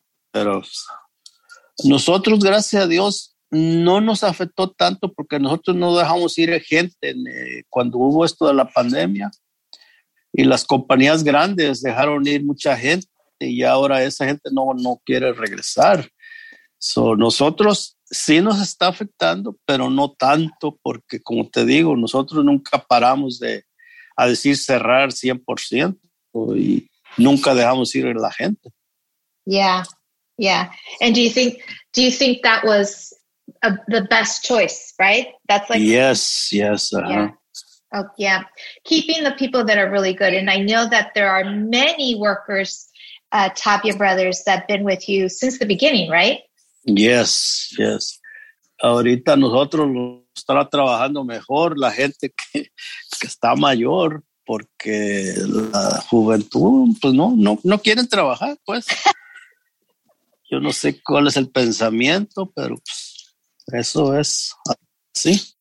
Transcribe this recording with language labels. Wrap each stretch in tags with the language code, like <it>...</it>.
<es>Pero nosotros, gracias a Dios, no nos afectó tanto porque nosotros no dejamos ir gente cuando hubo esto de la pandemia, y las compañías grandes dejaron ir mucha gente y ahora esa gente no quiere regresar. So, nosotros sí nos está afectando, pero no tanto porque, como te digo, nosotros nunca paramos a decir cerrar 100% y nunca dejamos ir la gente.</es> <en>Yeah. And do you think that was the best choice, right? That's like, yes. Uh-huh. Yeah. Oh yeah. Keeping the people that are really good. And I know that there are many workers, Tapia Brothers, that have been with you since the beginning, right? Yes.</en> <es>Ahorita nosotros estará trabajando mejor la gente que está mayor, porque la juventud, pues no quieren trabajar, pues. Yo no sé cuál es el pensamiento, pero eso es así.</es>